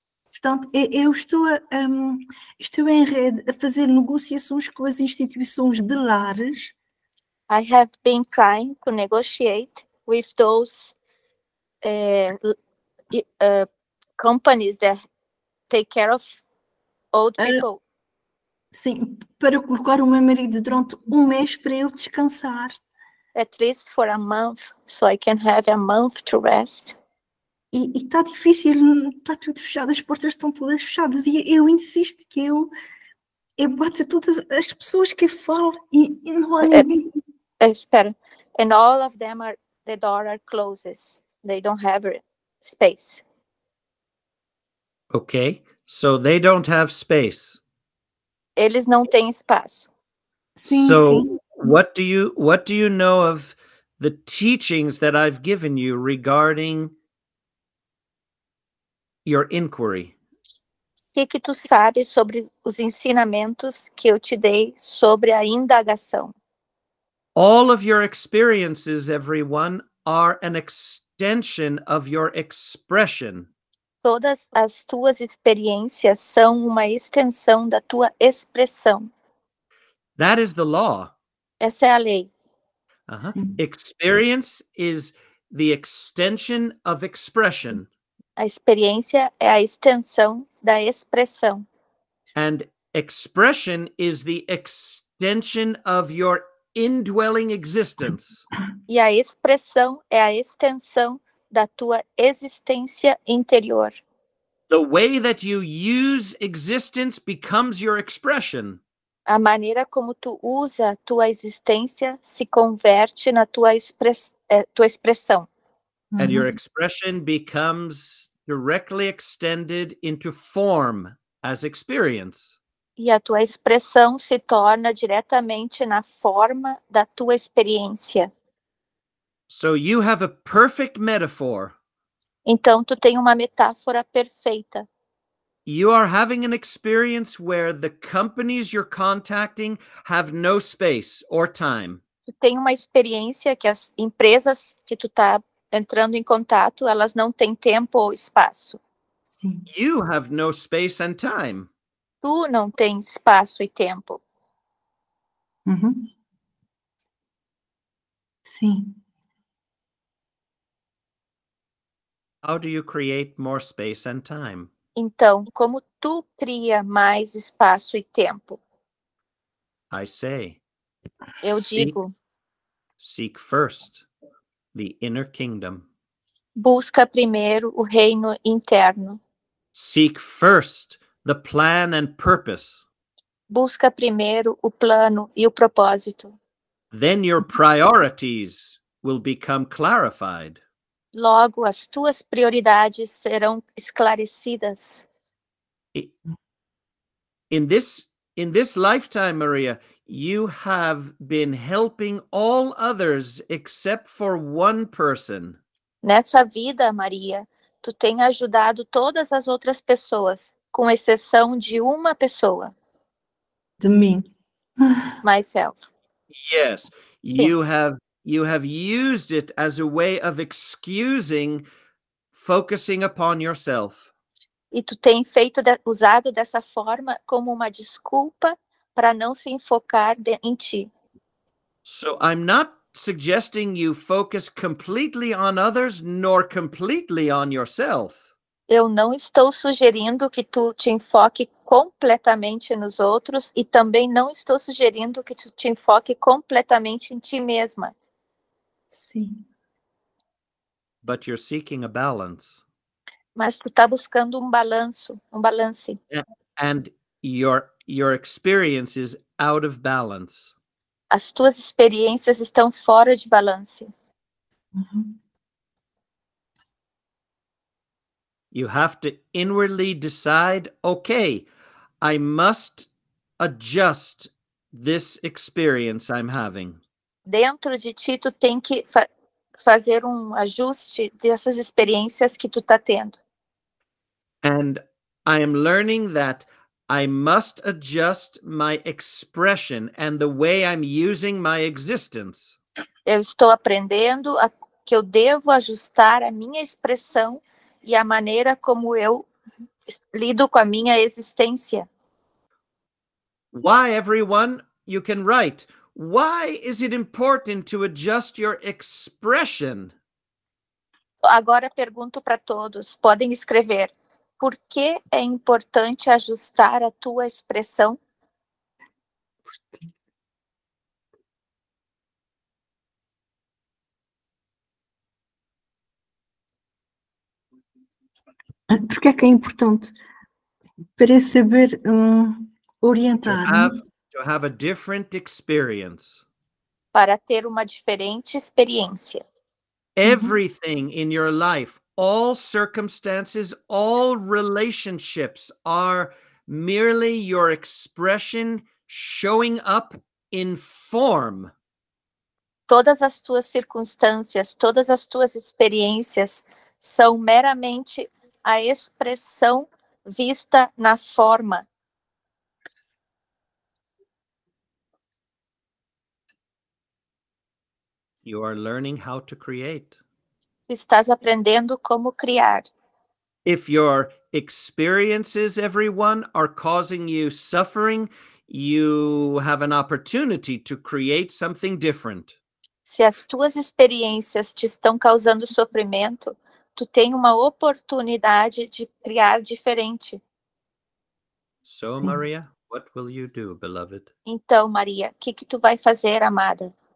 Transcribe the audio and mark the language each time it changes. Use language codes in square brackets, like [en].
[pt] Portanto, eu estou, estou em rede a fazer negociações com as instituições de lares. [en] I have been trying to negotiate with those companies that take care of old people. [pt] Sim, para colocar o meu marido durante um mês para eu descansar. [en] At least for a month, so I can have a month to rest. [pt] E está difícil, está tudo fechado, as portas estão todas fechadas e eu insisto que eu bato todas as pessoas que falam e não há ninguém. Espera, [en] and all of them are, the door are closes, they don't have space. Okay, so they don't have space. [pt] Eles não têm espaço. Sim, [en] so [pt] sim. [en] What do you know of the teachings that I've given you regarding your inquiry? [pt] Que tu sabes sobre os ensinamentos que eu te dei sobre a indagação? [en] All of your experiences, everyone, are an extension of your expression. [pt] Todas as tuas experiências são uma extensão da tua expressão. [en] That is the law. [pt] Essa é a lei. [en] Uh-huh. Experience is the extension of expression. [pt] A experiência é a extensão da expressão. [en] And expression is the extension of your indwelling existence. [pt] E a expressão é a extensão da tua existência interior. [en] The way that you use existence becomes your expression. [pt] A maneira como tu usa tua existência se converte na tua expressão. [en] And your expression becomes directly extended into form as experience. [pt] E a tua expressão se torna diretamente na forma da tua experiência. [en] So you have a perfect metaphor. [pt] Então tu tem uma metáfora perfeita. [en] You are having an experience where the companies you're contacting have no space or time. [pt] Tu tem uma experiência que as empresas que tu tá entrando em contato, elas não têm tempo ou espaço. Sim. [en] You have no space and time. [pt] Tu não tem espaço e tempo. Uhum. Sim. [en] How do you create more space and time? [pt] Então, como tu cria mais espaço e tempo? [en] I say. [pt] Eu digo. [en] Seek first the inner kingdom. [pt] Busca primeiro o reino interno. [en] Seek first the plan and purpose. [pt] Busca primeiro o plano e o propósito. [en] Then your priorities will become clarified. [pt] Logo, as tuas prioridades serão esclarecidas. [en] In this lifetime, Maria, you have been helping all others except for one person. [pt] Nessa vida, Maria, tu tem ajudado todas as outras pessoas, com exceção de uma pessoa. De mim. [en] Myself. Yes. [pt] Sim. [en] You have used it as a way of excusing focusing upon yourself. [pt] E tu tem feito usado dessa forma como uma desculpa para não se enfocar em ti. [en] So I'm not suggesting you focus completely on others nor completely on yourself. [pt] Eu não estou sugerindo que tu te enfoque completamente nos outros e também não estou sugerindo que tu te enfoque completamente em ti mesma. Sim. [en] But you're seeking a balance. [pt] Mas tu tá buscando um balanço, um balance. [en] And your experience is out of balance. [pt] As tuas experiências estão fora de balance. [en] You have to inwardly decide, okay, I must adjust this experience I'm having. [pt] Dentro de ti, tu tem que fazer um ajuste dessas experiências que tu tá tendo. [en] And I am learning that I must adjust my expression and the way I'm using my existence. [pt] Eu estou aprendendo que eu devo ajustar a minha expressão e a maneira como eu lido com a minha existência. [en] Why, everyone, you can write. Why is it important to adjust your expression? [pt] Agora pergunto para todos, podem escrever. Por que é importante ajustar a tua expressão? Por que é importante? Para saber orientar. [en] To have a different experience. [pt] Para ter uma diferente experiência. [en] Everything in your life, all circumstances, all relationships are merely your expression showing up in form. [pt] Todas as tuas circunstâncias, todas as tuas experiências são meramente a expressão vista na forma. [en] You are learning how to create. [pt] Estás aprendendo como criar. [en] If your experiences, everyone, are causing you suffering, you have an opportunity to create something different. [pt] Se as tuas experiências te estão causando sofrimento, tu tem uma oportunidade de criar diferente. [en] So, [pt] sim. [en] Maria, what will you do, beloved? [pt] Então, Maria, o que tu vai fazer, amada?